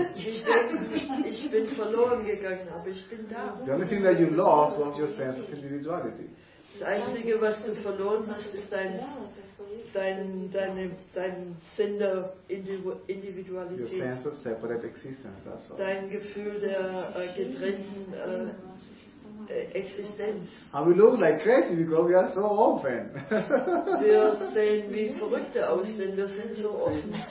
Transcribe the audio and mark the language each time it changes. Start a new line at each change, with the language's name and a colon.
German: Ich bin verloren gegangen, aber ich bin da.
English: The only thing that you lost was your sense of individuality.
German: Das Einzige, was du verloren hast, ist dein Sinn der Individualität.
English: Your sense of separate existence, that's all.
German: Dein Gefühl der getrennten Existenz.
English: And we look like crazy because we are so open.
German: Wir sehen wie Verrückte aus, denn wir sind so offen.